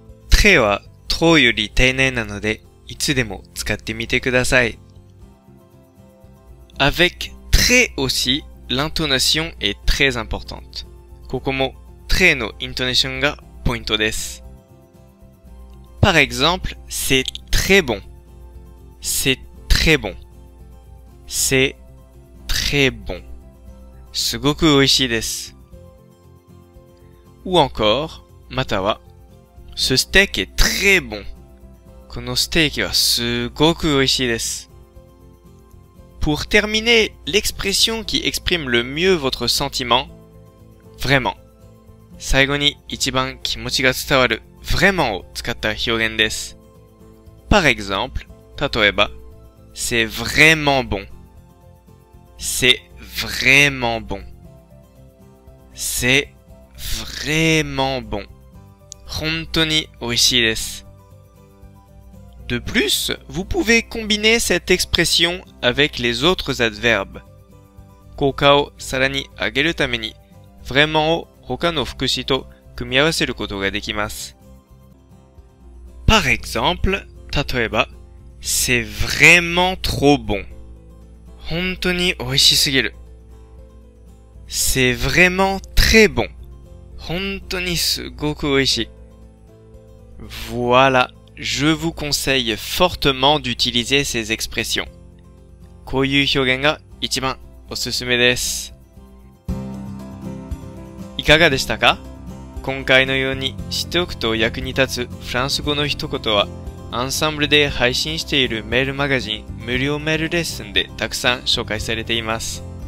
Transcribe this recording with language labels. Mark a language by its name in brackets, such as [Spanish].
[Japanese] très は trop より丁寧なので、いつでも使ってみてください。 [French] Avec très aussi, l'intonation est très importante. [Japanese] ここも très の intonation がポイントです。 [French] Par exemple, c'est très bon. C'est très bon. C'est très bon. [Japanese] すごく美味しいです。 [French] Ou encore, [Japanese] または、 [French] ce steak est très bon. [Japanese] このステーキはすごく美味しいです。 [French] Pour terminer, l'expression qui exprime le mieux votre sentiment, vraiment. [Japanese] 最後に一番気持ちが伝わる。Vraiment を使った表現です。 [French] Par exemple, [Japanese] 例えば、 [French] c'est vraiment bon. C'est vraiment bon. C'est vraiment bon. [Japanese] 本当に美味しいです。 [French] De plus, vous pouvez combiner cette expression avec les autres adverbes. [Japanese] 効果をさらに上げるために、vraiment を他の副詞と組み合わせることができます。 [French] Par exemple, [Japanese] 例えば、 [French] c'est vraiment trop bon. [Japanese] 本当に美味しすぎる。 [French] c'est vraiment très bon. [Japanese] 本当にすごく美味しい。 [French] Voilà, je vous conseille fortement d'utiliser ces expressions. [Japanese] こういう表現が一番おすすめです。いかがでしたか?今回のように知っておくと役に立つフランス語の一言はアンサンブルで配信しているメールマガジン無料メールレッスンでたくさん紹介されています。